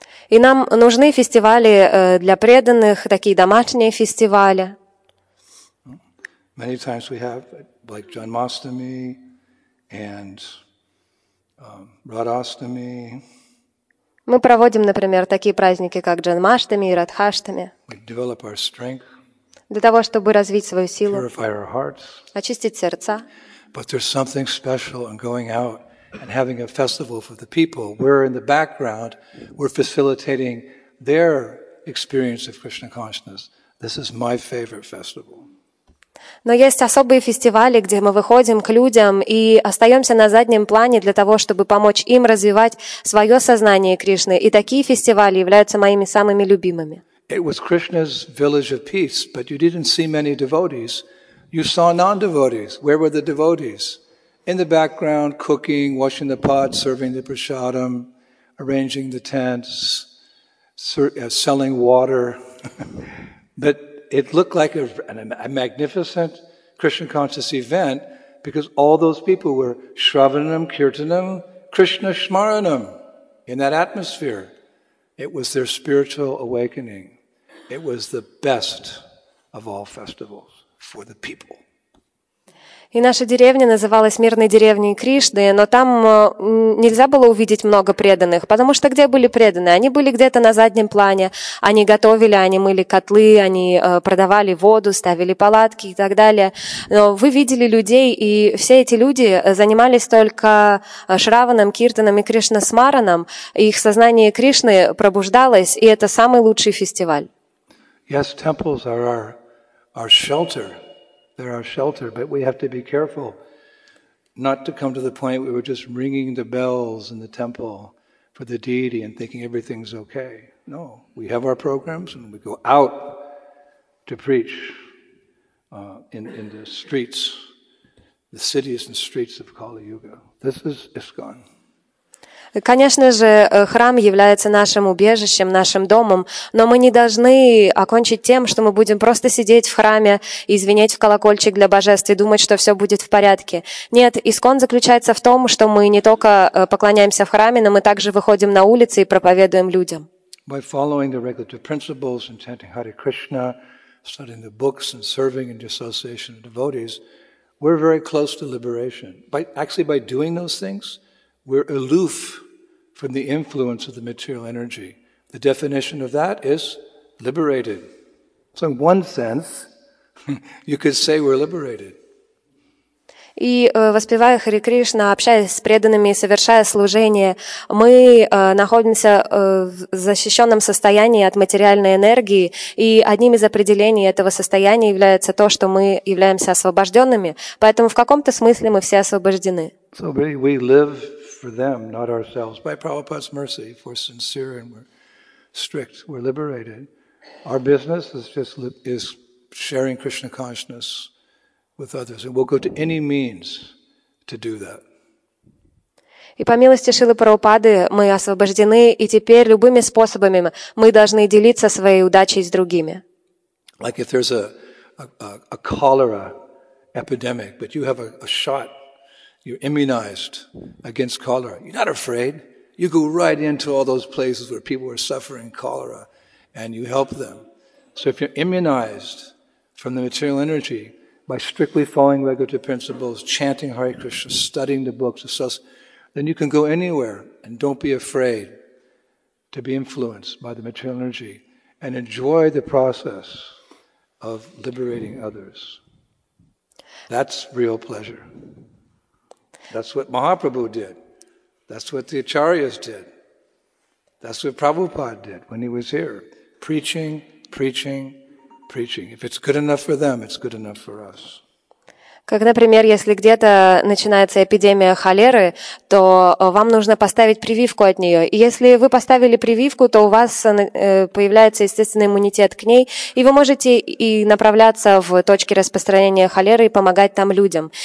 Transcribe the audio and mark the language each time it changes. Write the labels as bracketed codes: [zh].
[ru] И нам нужны фестивали для преданных, такие домашние фестивали. [en] Many times we have like Janmashtami and Radhashtami. [ru] Мы проводим, например, такие праздники, как Джанмаштами и Радхаштами, для того, чтобы развить свою силу, очистить сердца. [en] But there's something special in going out and having a festival for the people. We're in the background, we're facilitating their experience of Krishna consciousness. This is my favorite festival. [ru] Но есть особые фестивали, где мы выходим к людям и остаемся на заднем плане для того, чтобы помочь им развивать свое сознание Кришны. И такие фестивали являются моими самыми любимыми. [en] It was Krishna's village of peace, but you didn't see many devotees. You saw non-devotees. Where were the devotees? In the background, cooking, washing the pots, serving the prasadam, arranging the tents, selling water. But it looked like a magnificent Krishna conscious event because all those people were Shravanam, Kirtanam, Krishna Smaranam in that atmosphere. It was their spiritual awakening. It was the best of all festivals for the people. [ru] И наша деревня называлась Мирной деревней Кришны, но там нельзя было увидеть много преданных, потому что где были преданные? Они были где-то на заднем плане, они готовили, они мыли котлы, они продавали воду, ставили палатки и так далее. Но вы видели людей, и все эти люди занимались только Шраваном, Киртаном и Кришнасмараном, и их сознание Кришны пробуждалось, и это самый лучший фестиваль. [en] Yes, temples are our shelter. They're our shelter, but we have to be careful not to come to the point where we're just ringing the bells in the temple for the deity and thinking everything's okay. No, we have our programs and we go out to preach in the streets, the cities and streets of Kali Yuga. This is ISKCON. [ru] Конечно же, храм является нашим убежищем, нашим домом, но мы не должны окончить тем, что мы будем просто сидеть в храме и звенеть в колокольчик для божеств и думать, что все будет в порядке. Нет, ИСККОН заключается в том, что мы не только поклоняемся в храме, но мы также выходим на улицы и проповедуем людям. [en] By following the regulative principles and chanting Hare Krishna, studying the books and serving in the association of devotees, we're very close to liberation. By doing those things, we're aloof from the influence of the material energy. The definition of that is liberated. So in one sense, you could say we're liberated. [ru] И воспевая Хари Кришна, общаясь с преданными и совершая служение, мы находимся в защищенном состоянии от материальной энергии, и одним из определений этого состояния является то, что мы являемся освобожденными. Поэтому в каком-то смысле мы все освобождены. [en] So really we live for them, not ourselves. By Prabhupada's mercy, if we're sincere and we're strict, we're liberated. Our business is sharing Krishna consciousness with others, and we'll go to any means to do that. [ru] И по милости Шрилы Прабхупады мы освобождены, и теперь любыми способами мы должны делиться своей удачей с другими. [en] Like if there's a cholera epidemic, but you have a shot, you're immunized against cholera, you're not afraid. You go right into all those places where people are suffering cholera, and you help them. So if you're immunized from the material energy by strictly following regulatory principles, chanting Hare Krishna, studying the books, then you can go anywhere and don't be afraid to be influenced by the material energy and enjoy the process of liberating others. That's real pleasure. That's what Mahaprabhu did. That's what the Acharyas did. That's what Prabhupada did when he was here. Preaching, preaching, preaching. If it's good enough for them, it's good enough for us. [ru] Как, например, если где-то начинается эпидемия холеры, то вам нужно поставить прививку от нее. И если вы поставили прививку, то у вас появляется естественный иммунитет к ней, и вы можете и направляться в точки распространения холеры и помогать там людям.